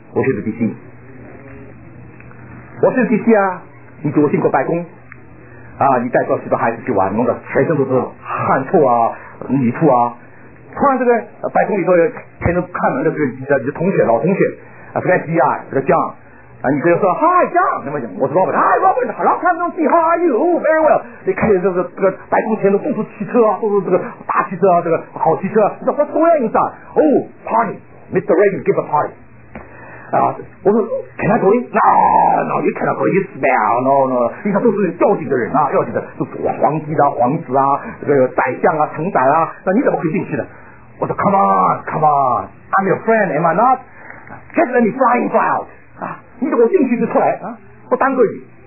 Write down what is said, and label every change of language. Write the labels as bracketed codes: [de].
[zh] Washington DC， Washington DC 啊，你走进过白宫啊，你带着许多孩子去玩，弄得全身都是汗臭啊泥土啊，突然这个白宫里头前头看门的这个你的同学老同学啊，这个 FBI 这个 John 啊，你跟他说 [en] Hi John， [zh] 那么讲我是 Robert， [en] Hi Robert， Long time no see， How are you？ Very well。 [zh] 你看见这个白宫前头都是汽车啊，都是这个大汽车啊，这个好汽车，你说 [en] What's going on inside？ Oh party， Mr. Reagan give a party啊， [zh] 我说 [en] Can I go in？ No you cannot go in， you smell， No [zh] 因为他都是要紧的人啊，要紧的就是皇帝啊皇子啊这个宰相啊承载啊，那你怎么可以进去的？我说 [en] Come on I'm your friend am I not， Just let me fly in fly out 啊， [zh] 你怎么进去就出来啊，不耽搁你。